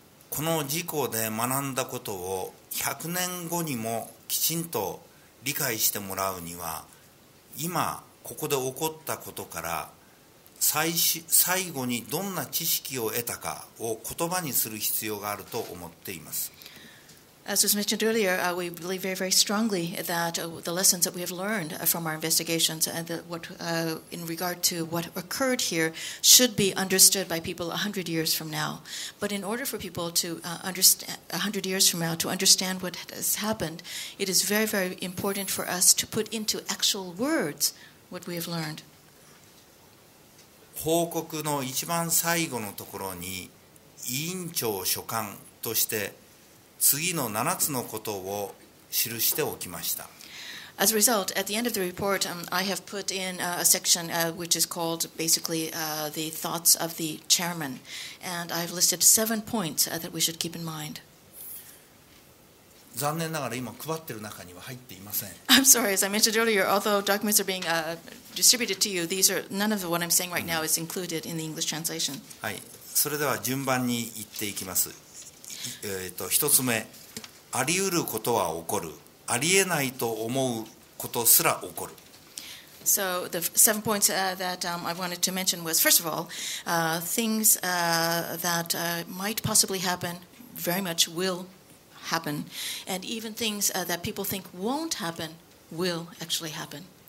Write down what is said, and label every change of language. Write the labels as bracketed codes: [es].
[ja] この事故で学んだことを100年後にもきちんと理解してもらうには、今ここで起こったことから最後にどんな知識を得たかを言葉にする必要があると思っています。 [en] As was mentioned earlier, we believe very, very strongly that the lessons that we have learned from our investigations and in regard to what occurred here should be understood by people 100 years from now. But in order for people to understand 100 years from now to understand what has happened, it is very, very important for us to put into actual words. What we have learned. [ja] 報告の一番最後のところに委員長所管として次の7つのことを記しておきました。 [en] As a result, at the end of the report, I have put in a section which is called basically the thoughts of the chairman, and I have listed 7 points that we should keep in mind. [ja] 残念ながら今配っている中には入っていません。 [en] I'm sorry, as I mentioned earlier, although documents are being distributed to you, these are none of what I'm saying right now is included in the English translation. [ja] はい、それでは順番に言っていきます。一つ目、あり得ることは起こる、ありえないと思うことすら起こる。 [en] So the 7 points that I wanted to mention was, first of all, things that might possibly happen very much will. Happen, and even things that people think won't happen will actually happen.